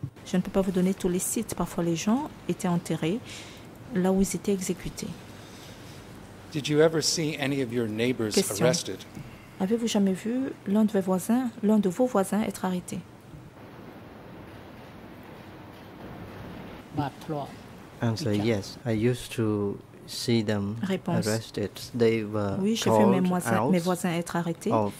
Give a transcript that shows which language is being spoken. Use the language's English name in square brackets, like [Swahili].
[French] Je ne peux pas vous donner tous les sites. Parfois, les gens étaient enterrés là où ils étaient exécutés. [English] Did you ever see any of your neighbors [French] Question. [English] Arrested? [French] Avez-vous jamais vu l'un de vos voisins être arrêté? [English] Answer, yes. I used to see them [French] Réponse. [English] Arrested. They were [French] oui, j'ai vu mes voisins être arrêtés